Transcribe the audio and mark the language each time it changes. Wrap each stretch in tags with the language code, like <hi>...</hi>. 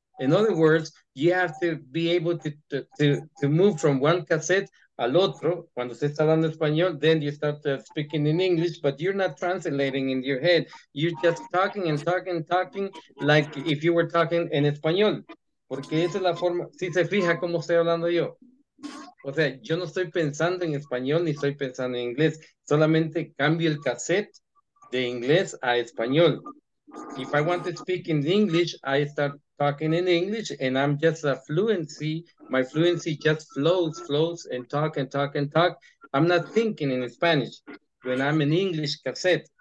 <en>In other words, you have to be able to move from one cassette al otro. Cuando usted está hablando español, then you start speaking in English, but you're not translating in your head. You're just talking and talking and talking like if you were talking en español.</en> <es>Porque esa es la forma, si se fija cómo estoy hablando yo. O sea, yo no estoy pensando en español ni estoy pensando en inglés. Solamente cambio el cassette de inglés a español.</es> <en>If I want to speak in English, I start talking in English, and I'm just a fluency. My fluency just flows, and talk and talk and talk. I'm not thinking in Spanish when I'm in English cassette.</en>